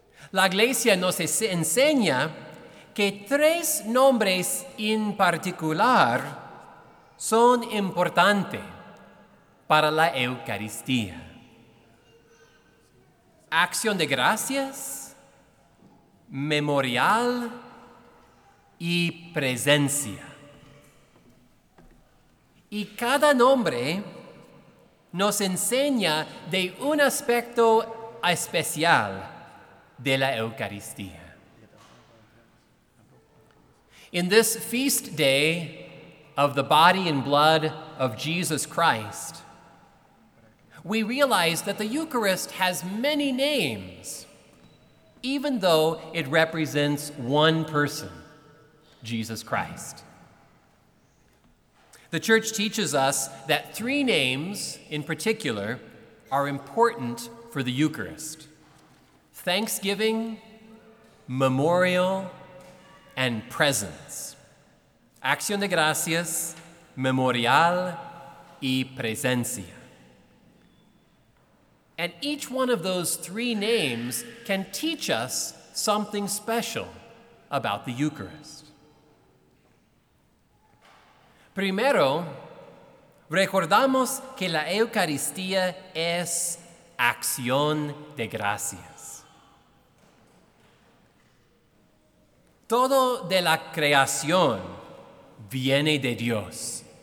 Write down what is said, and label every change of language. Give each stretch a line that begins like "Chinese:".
Spanish: La Iglesia nos enseña que tres nombres en particular son importantes para la Eucaristía: acción de gracias, memorial y presencia. Y cada nombre nos enseña de un aspecto especial de la Eucaristía.
English: In this feast day of the body and blood of Jesus Christ, we realize that the Eucharist has many names, even though it represents one person, Jesus Christ. The Church teaches us that three names in particular are important for the Eucharist: thanksgiving, memorial, and presence.
Spanish: Acción de gracias, memorial, y presencia.
English: And each one of those three names can teach us something special about the Eucharist.
Spanish: Primero, recordamos que la Eucaristía es acción de gracias. Todo de la creación viene de Dios.